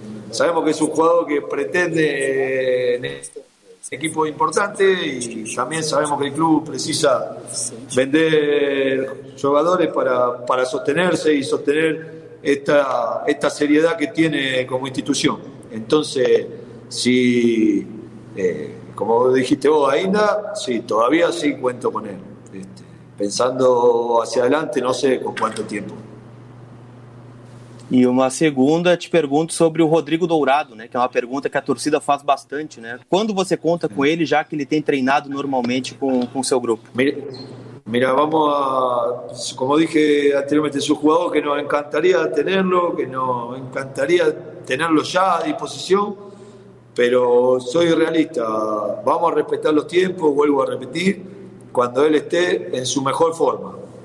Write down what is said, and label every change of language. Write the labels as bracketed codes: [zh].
[es] Sabemos que es un jugador que pretende equipo importante y también sabemos que el club precisa vender jugadores para sostenerse y sostener esta seriedad que tiene como institución. Entonces, si como dijiste vos, Ainda, sí, todavía sí cuento con él. Pensando hacia adelante, [pt] não sei com quanto tempo. E uma segunda, te pergunto sobre o Rodrigo Dourado, né? Que é uma pergunta que a torcida faz bastante, né? Quando você conta com ele, já que ele tem treinado normalmente com o seu grupo? [es] Mira, vamos a... Como dije anteriormente, es un jugador que nos encantaría tenerlo, que nos encantaría tenerlo ya a disposición, pero soy realista. Vamos a respetar los tiempos, vuelvo a repetir. Cuando él esté en su mejor forma.